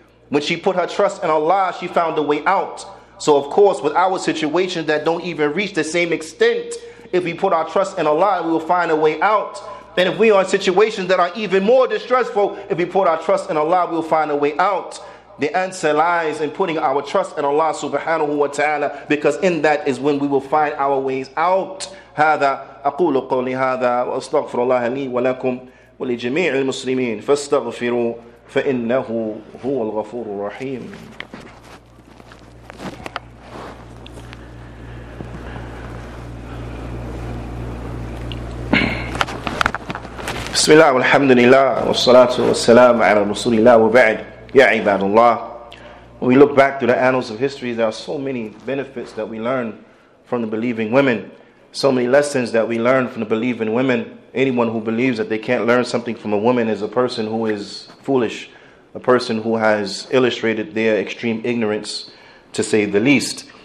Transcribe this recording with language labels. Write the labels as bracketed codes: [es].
[en] When she put her trust in Allah, she found a way out. So of course, with our situations that don't even reach the same extent, if we put our trust in Allah, we will find a way out. And if we are in situations that are even more distressful, if we put our trust in Allah, we will find a way out. The answer lies in putting our trust in Allah subhanahu wa ta'ala, because in that is when we will find our ways out. [ar] هذا أقول قولي هذا وأستغفر الله لي ولكم ولجميع المسلمين فاستغفروا فإنه هو الغفور الرحيم. بسم الله والحمد لله والصلاة والسلام على رسول الله وبعد يا عباد الله. [en] When we look back through the annals of history, there are so many benefits that we learn from the believing women, so many lessons that we learn from the believing women. Anyone who believes that they can't learn something from a woman is a person who is foolish, a person who has illustrated their extreme ignorance, to say the least.